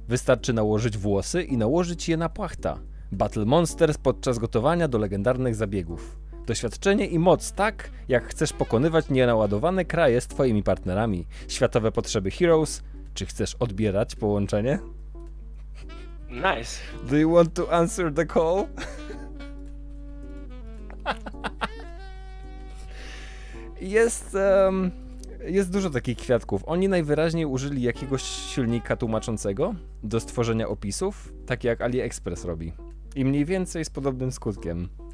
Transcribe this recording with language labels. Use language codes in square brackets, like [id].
[pl] Wystarczy nałożyć włosy i nałożyć je na płachta. Battle Monsters podczas gotowania do legendarnych zabiegów. Doświadczenie i moc, tak jak chcesz pokonywać nienaładowane kraje z twoimi partnerami. Światowe potrzeby Heroes. Czy chcesz odbierać połączenie? [en] Nice. Do you want to answer the call? [pl] Jest dużo takich kwiatków. Oni najwyraźniej użyli jakiegoś silnika tłumaczącego do stworzenia opisów, tak jak AliExpress robi. I mniej więcej z podobnym skutkiem.